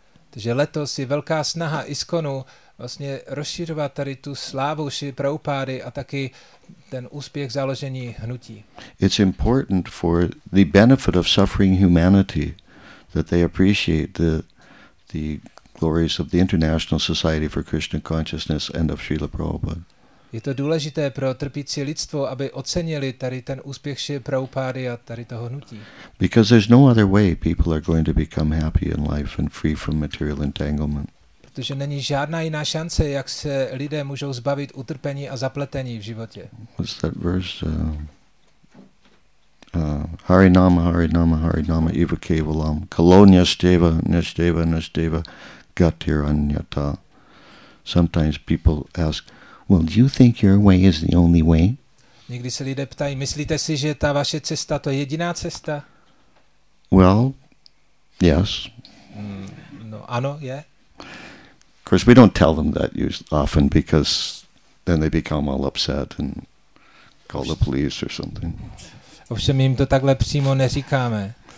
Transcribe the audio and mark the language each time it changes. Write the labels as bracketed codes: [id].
[cs] Takže letos je velká snaha ISKCONu vlastně rozšiřovat tady tu slávu Srila Prabhupády a taky ten úspěch založení hnutí. [en] It's important for the benefit of suffering humanity that they appreciate the glories of the International Society for Krishna Consciousness and of Srila Prabhupada. [cs] Je to důležité pro trpící lidstvo, aby ocenili tady ten úspěch Šri Prabhupády a tady toho hnutí. [en] Because there's no other way people are going to become happy in life and free from material entanglement. [cs] Protože není žádná jiná šance, jak se lidé můžou zbavit utrpení a zapletení v životě. [en] What's that verse? [sa] Hari nama, hari nama, hari nama, eva kevalam. Kalonya steva, nesteva, nesteva, gatir anyata. [en] Sometimes people ask, well, do you think your way is the only way? [cs] Někdy se lidé ptají, myslíte si, že ta vaše cesta to je jediná cesta? [en] Well, yes. [cs] No, ano, je. [en] Of course, we don't tell them that often because then they become all upset and call the police or something. [cs] Ovšem jim to takhle přímo neříkáme.